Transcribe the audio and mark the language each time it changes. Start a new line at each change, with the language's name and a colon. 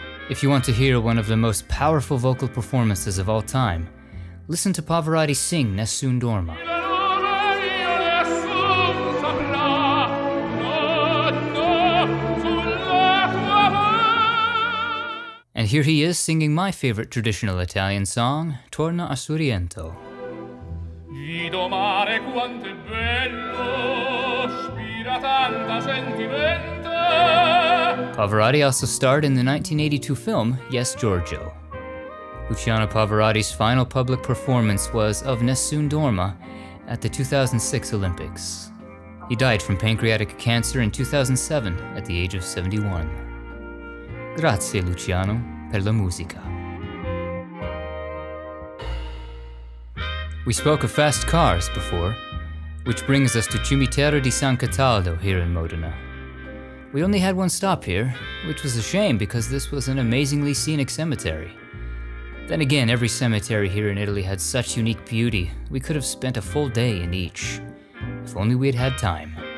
English: If you want to hear one of the most powerful vocal performances of all time, listen to Pavarotti sing Nessun Dorma. And here he is singing my favorite traditional Italian song, Torna a Sorrento.
Neapolitan: Vido mare quanto è bello, spira tanta sentimento.
English: Pavarotti also starred in the 1982 film Yes, Giorgio. Luciano Pavarotti's final public performance was of Nessun Dorma at the 2006 Olympics. He died from pancreatic cancer in 2007 at the age of 71.
Italian: Grazie, Luciano, per la musica.
English: We spoke of Fast Cars before, which brings us to Cimitero di San Cataldo here in Modena. We only had one stop here, which was a shame because this was an amazingly scenic cemetery. Then again, every cemetery here in Italy had such unique beauty, we could have spent a full day in each, if only we had had time.